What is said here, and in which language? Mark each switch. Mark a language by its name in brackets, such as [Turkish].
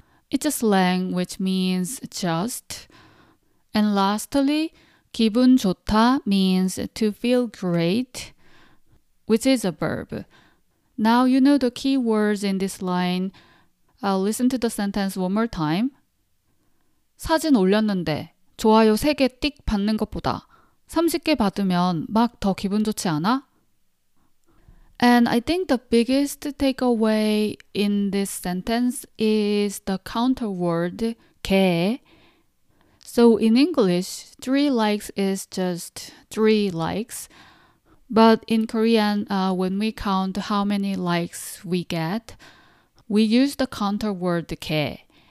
[English] It's a slang which means just. And lastly, [Korean] 기분 좋다 [English] means to feel great, which is a verb. Now you know the key words in this line. I'll listen to the sentence one more time. [Korean] 사진 올렸는데 좋아요 3개 띡 받는 것보다 30개 받으면 막 더 기분 좋지 않아? [English] And I think the biggest takeaway in this sentence is the counter word 개. So in English, 3 likes is just 3 likes. But in Korean, when we count how many likes we get, we use the counter word 개.